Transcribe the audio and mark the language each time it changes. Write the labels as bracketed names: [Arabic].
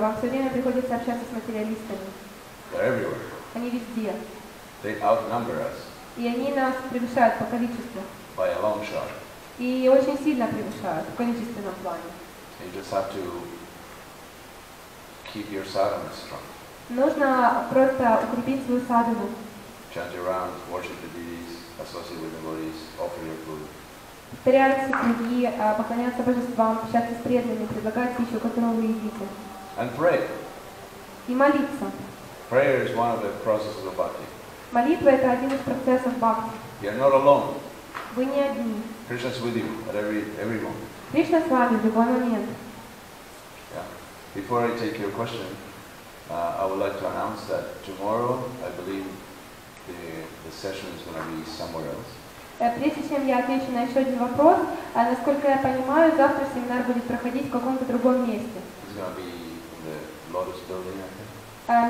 [Russian] Вам все время приходится общаться с материалистами. [English] They're everywhere. [Russian] Они везде. [English] They outnumber us. [Russian] И они нас превышают по количеству. [English] By a long shot. [Russian] И очень сильно превышают в количественном плане. [English] You just have to keep your sadhana strong. [Russian] Нужно просто укрепить свою садхану. [English] Chant your rounds, worship the deities, associate with the devotees, offer your food. [Russian] Повторяйте круги, поклоняться божествам, общаться с преданными, предлагать пищу, которую вы едите. [English] And pray. [Russian] И молиться. [English] Prayer is one of the processes of bhakti. [Russian] Молитва — это один из процессов бхакти. [English] You are not alone. [Russian] Вы не одни. [English] Krishna is with you at every moment. [Russian] Кришна с вами в любой момент. [English] Yeah. Before I take your question, I would like to announce that tomorrow, I believe, the session is going to be somewhere else. [Russian] Прежде чем я отвечу на еще один вопрос, насколько я понимаю, завтра семинар будет проходить в каком-то другом месте. [English] It's going to be in the Lotus Building, I think.